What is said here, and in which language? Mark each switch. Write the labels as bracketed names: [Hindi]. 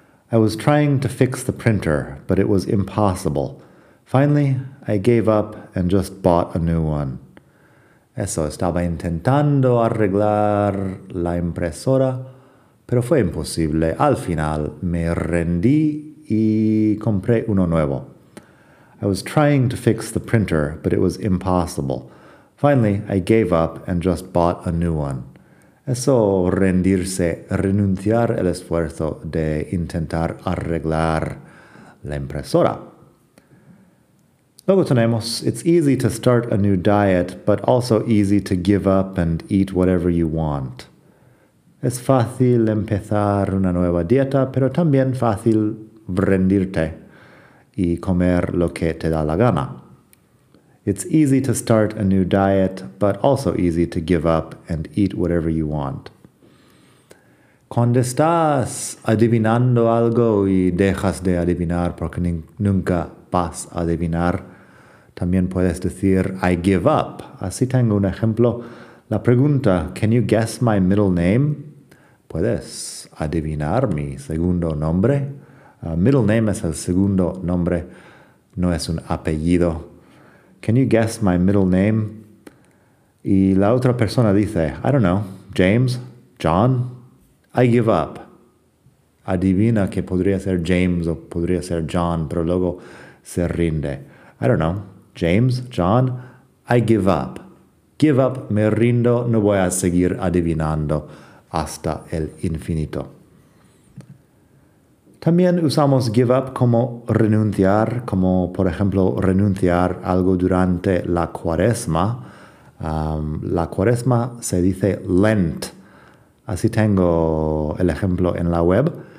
[English] I was trying to fix the printer, but it was impossible. Finally, I gave up and just bought a new one. [Spanish] Eso, estaba intentando arreglar la impresora, pero fue imposible. Al final, me rendí y compré uno nuevo. [English] I was trying to fix the printer, but it was impossible. Finally, I gave up and just bought a new one. [Spanish] Eso, rendirse, renunciar el esfuerzo de intentar arreglar la impresora. Luego tenemos, [English] it's easy to start a new diet, but also easy to give up and eat whatever you want. [Spanish] Es fácil empezar una nueva dieta, pero también fácil rendirte y comer lo que te da la gana. [English] It's easy to start a new diet, but also easy to give up and eat whatever you want. [Spanish] Cuando estás adivinando algo y dejas de adivinar porque nunca vas a adivinar, también puedes decir, [English] I give up. [Spanish] Así tengo un ejemplo. La pregunta, [English] can you guess my middle name? [Spanish] Puedes adivinar mi segundo nombre. Middle name es el segundo nombre, no es un apellido. [English] Can you guess my middle name? [Spanish] Y la otra persona dice, [English] I don't know, James, John, I give up. [Spanish] Adivina que podría ser James o podría ser John, pero luego se rinde. [English] I don't know, James, John, I give up. [Spanish] Give up, me rindo, no voy a seguir adivinando hasta el infinito. También usamos give up como renunciar, como por ejemplo renunciar algo durante la cuaresma. La cuaresma se dice Lent. Así tengo el ejemplo en la web.